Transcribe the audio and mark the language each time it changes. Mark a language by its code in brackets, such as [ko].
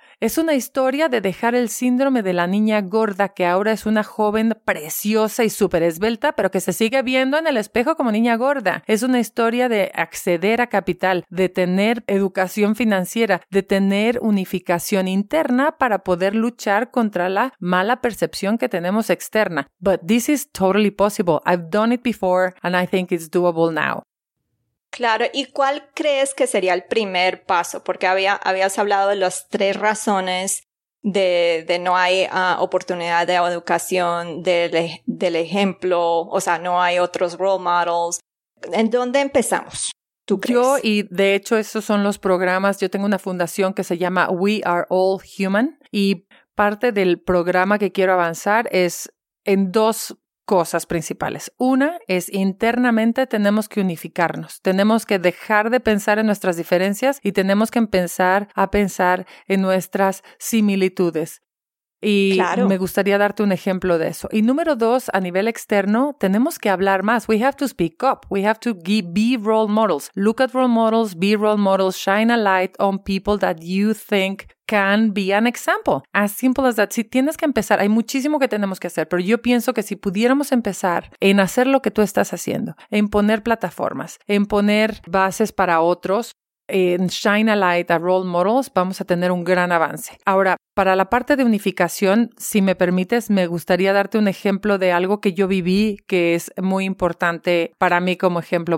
[es] Es una historia de dejar el síndrome de la niña gorda, que ahora es una joven preciosa y súper esbelta, pero que se sigue viendo en el espejo como niña gorda. Es una historia de acceder a capital, de tener educación financiera, de tener unificación interna para poder luchar contra la mala percepción que tenemos externa. [en] But this is totally possible. I've done it before and I think it's doable now. [es] Claro, ¿y cuál crees que sería el primer paso? Porque habías hablado de las tres razones de no hay oportunidad de educación, del ejemplo, o sea, no hay otros role models. ¿En dónde empezamos, tú crees? Yo, y de hecho esos son los programas, yo tengo una fundación que se llama We Are All Human, y parte del programa que quiero avanzar es en dos cosas principales. Una es internamente tenemos que unificarnos, tenemos que dejar de pensar en nuestras diferencias y tenemos que empezar a pensar en nuestras similitudes. Y claro, me gustaría darte un ejemplo de eso. Y número dos, a nivel externo, tenemos que hablar más. [en] We have to speak up. We have to be role models. Look at role models, be role models, shine a light on people that you think can be an example. As simple as that. [es] Si tienes que empezar, hay muchísimo que tenemos que hacer, pero yo pienso que si pudiéramos empezar en hacer lo que tú estás haciendo, en poner plataformas, en poner bases para otros, en [en] shine a light a role models, [es] vamos a tener un gran avance. Ahora, para la parte de unificación, si me permites, me gustaría darte un ejemplo de algo que yo viví que es muy importante para mí como ejemplo.